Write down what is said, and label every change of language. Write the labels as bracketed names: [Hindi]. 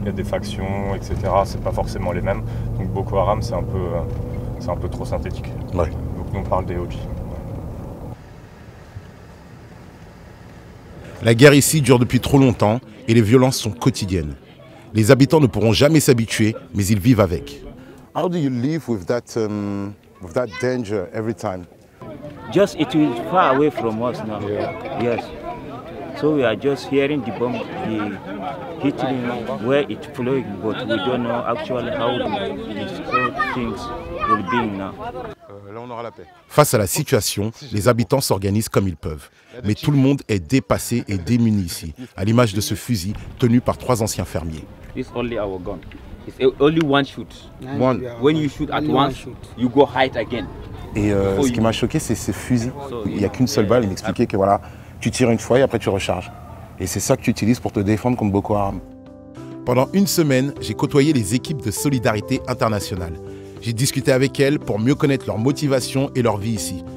[French] Il y a des factions, etc., c'est pas forcément les mêmes. Donc Boko Haram, c'est un peu trop synthétique. Ouais. Donc nous, on parle d'AOG. La guerre ici dure depuis trop longtemps et les violences sont quotidiennes. Les habitants ne pourront jamais s'habituer, mais ils vivent avec. [English] How do you live with that danger every time? Just it is far away from us now. Yeah. Yes. So we are just hearing the bomb, the hitting, where it's flowing, but we don't know actually how these things will be now. [French] Là, on aura la paix. Face à la situation, les habitants s'organisent comme ils peuvent. Mais tout le monde est dépassé et démuni ici, à l'image de ce fusil tenu par trois anciens fermiers. [English] It's only our gun. It's only one shoot. One. When you shoot at one shoot, you go hide again. [French] Et ce qui m'a choqué, c'est ce fusil. Il n'y a qu'une seule balle. Il m'expliquait que voilà, tu tires une fois et après tu recharges. Et c'est ça que tu utilises pour te défendre contre Boko Haram. Pendant une semaine, j'ai côtoyé les équipes de solidarité internationale. J'ai discuté avec elles pour mieux connaître leur motivation et leur vie ici.